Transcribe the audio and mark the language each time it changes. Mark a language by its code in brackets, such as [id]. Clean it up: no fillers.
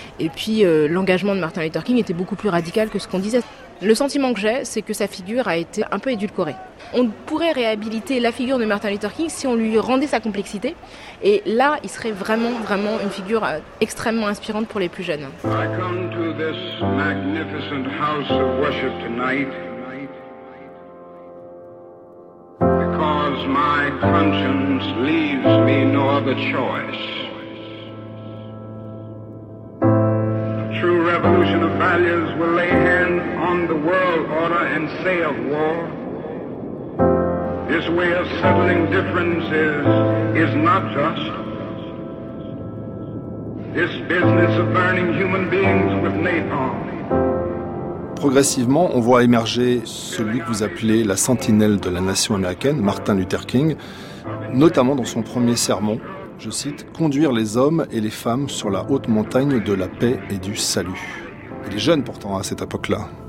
[fr] Et puis, l'engagement de Martin Luther King était beaucoup plus radical que ce qu'on disait. Le sentiment que j'ai, c'est que sa figure a été un peu édulcorée. On pourrait réhabiliter la figure de Martin Luther King si on lui rendait sa complexité. Et là, il serait vraiment, vraiment une figure extrêmement inspirante pour les plus jeunes. [en] I come to this magnificent house of worship tonight because my conscience leaves me no other choice. A true revolution of values will lay hand on the world order and say of war. This way of settling differences is not just. This business of burning human beings with napalm. [fr] Progressivement, on voit émerger celui que vous appelez la sentinelle de la nation américaine, Martin Luther King, notamment dans son premier sermon, je cite, « Conduire les hommes et les femmes sur la haute montagne de la paix et du salut ». Il est jeune pourtant à cette époque-là.